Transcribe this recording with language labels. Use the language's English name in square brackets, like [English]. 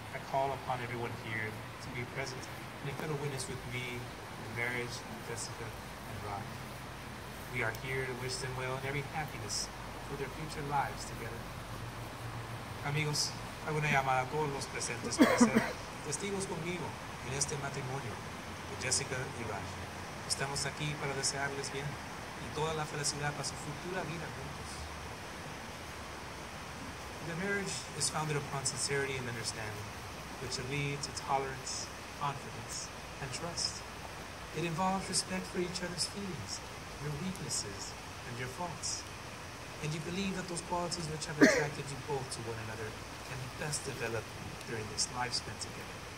[English] call upon everyone here to be present and a fellow witness with me, marriage, Jessica, and Rod. We are here to wish them well and every happiness for their future lives together. [Spanish] Amigos, hago una llamada a todos los presentes para ser testigos conmigo en este matrimonio de Jessica y Rod. Estamos aquí para desearles bien y toda la felicidad para su futura vida juntos. [English] The marriage is founded upon sincerity and understanding, which leads to tolerance, confidence, and trust. It involves respect for each other's feelings, your weaknesses, and your faults. And you believe that those qualities which have attracted you both to one another can best develop during this life spent together.